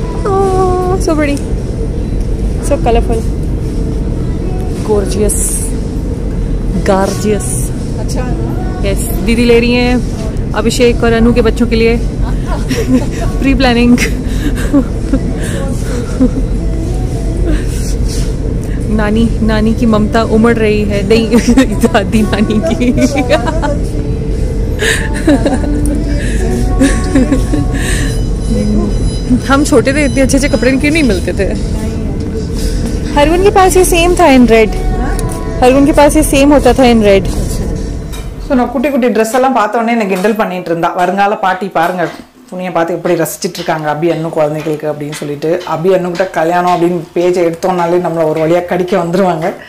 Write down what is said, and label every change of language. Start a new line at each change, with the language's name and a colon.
English: Oh so pretty, so colourful, gorgeous, gorgeous.
Hindi: अच्छा yes, दीदी ले रही हैं अभिषेक और अनु के बच्चों के लिए प्री प्लानिंग. नानी नानी की ममता उमड़ रही है, नहीं दादी नानी की. हम छोटे थे, इतने अच्छे अच्छे कपड़े क्यों नहीं मिलते थे. हरवन के पास ये सेम था in red, ஹர்வன் K pass same ஹோதா தா இன் ரெட்.
Tamil: சோ நான் குட்டி குட்டி Dress எல்லாம் பார்த்த உடனே என்ன கிண்டல் பண்ணிட்டு இருந்தா, வருங்கால பாட்டி பாருங்க துணியை பார்த்து எப்படி ரசிச்சுட்டு இருக்காங்க அபி அண்ணு குழந்தைகளுக்கு அப்படின்னு சொல்லிட்டு. அபி அண்ணுகிட்ட கல்யாணம் அப்படின்னு பேஜை எடுத்தோம்னாலே நம்மளை ஒரு வழியாக கடிக்க வந்துருவாங்க.